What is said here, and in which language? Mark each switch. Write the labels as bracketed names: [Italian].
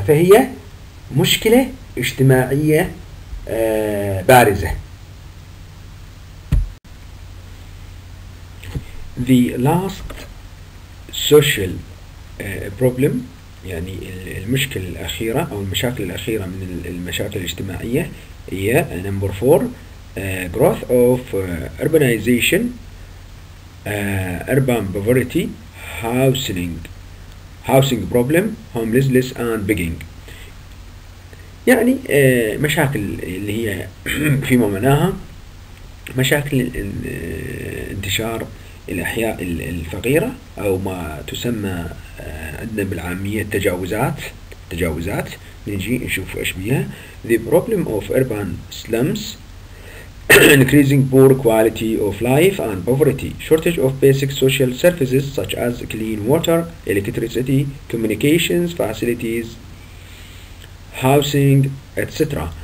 [Arabic] فهي مشكلة اجتماعية بارزة. [English] The last social problem، [Arabic] يعني المشكلة الأخيرة أو المشاكل الأخيرة من المشاكل الاجتماعية هي [English] number four growth of urbanization urban poverty housing problem homelessness and begging. [Arabic] يعني مشاكل اللي هي فيما معناها مشاكل انتشار الأحياء الفقيرة أو ما تسمى عندنا بالعامية التجاوزات. نجي نشوف إيش بيها. [English] The problem of urban slums increasing poor quality of life and poverty, shortage of basic social services such as clean water, electricity, communications facilities, housing, etc.